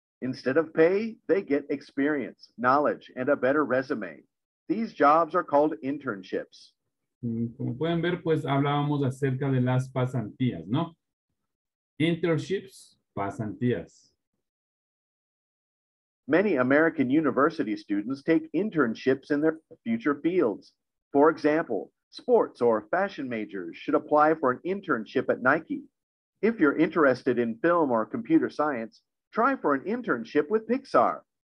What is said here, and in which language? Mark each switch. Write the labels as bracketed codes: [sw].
[en] Instead of pay, they get experience, knowledge, and a better resume. These jobs are called internships. [es] Como pueden ver, pues hablábamos acerca de las pasantías, ¿no? [en] Internships, pasantías. Many American university students take internships in their future fields. For example, sports or fashion majors should apply for an internship at Nike. If you're interested in film or computer science, try for an internship with Pixar.